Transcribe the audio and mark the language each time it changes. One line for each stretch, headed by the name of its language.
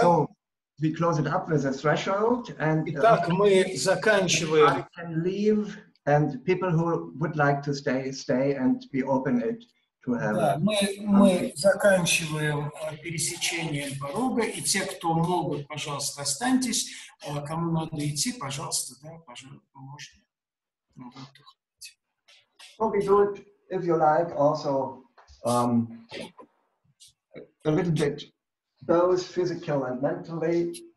English: So we close it up with a threshold, and
Russian: итак, мы заканчиваем.
English: I can leave, and people who would like to stay, stay and be open it to have.
Russian: Да, мы заканчиваем пересечение порога, и те, кто могут, пожалуйста, останьтесь. Кому надо идти, пожалуйста, да, пожалуйста, можно.
English: Well, we do it, if you like, also a little bit, both physical and mentally.